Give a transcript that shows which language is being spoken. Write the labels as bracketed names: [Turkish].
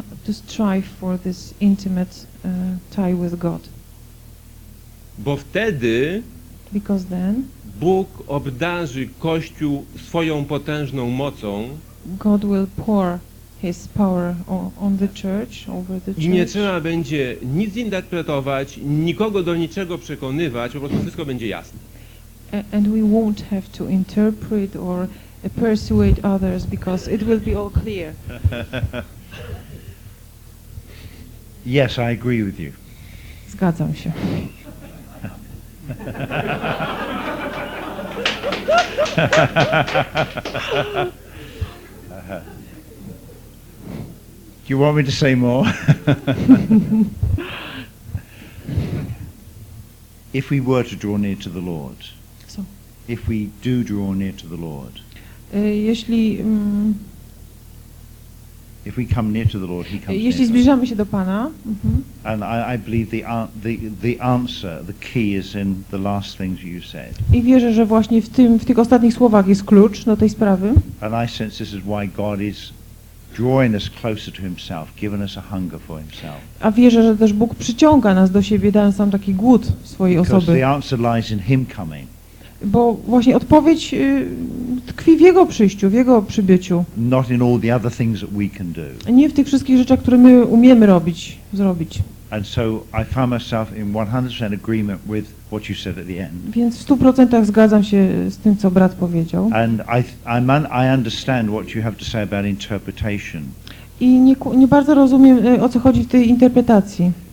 [English] To strive for this intimate tie with God. [Polish] Bo wtedy [English] because then [Polish] Bóg obdarzy Kościół swoją potężną mocą. [English] God will pour his power on the church, over the church. [Polish] I nie trzeba będzie nic interpretować, nikogo do niczego przekonywać, po prostu wszystko będzie jasne. [English] And we won't have to interpret or persuade others because it will be all clear. Yes, I agree with you. [Polish] Zgadzam się. [English] Do you want me to say more? If we were to draw near to the Lord. So. If we do draw near to the Lord. If we come near to the Lord, he comes. [Polish] Jeśli [English] near [Polish] zbliżamy się do Pana. [English] And I believe the answer, the key is in the last things you said. [Polish] I wierzę, że właśnie w tych ostatnich słowach jest klucz do tej sprawy. [English] And I sense this is why God is drawing us closer to himself, giving us a hunger for himself. [Polish] A wierzę, że też Bóg przyciąga nas do siebie, dając nam taki głód swojej osoby. [English] The answer lies in him coming. [Polish] Bo właśnie odpowiedź tkwi w Jego przyjściu, w Jego przybyciu. [English] Not in all the other things that we can do. [Polish] Nie w tych wszystkich rzeczach, które my umiemy robić, zrobić. [English] And so I found myself in 100% agreement with what you said at the end. [Polish] Więc w 100% zgadzam się z tym, co brat powiedział. [English] And I understand what you have to say about interpretation. [Polish] I nie bardzo rozumiem, o co chodzi w tej interpretacji.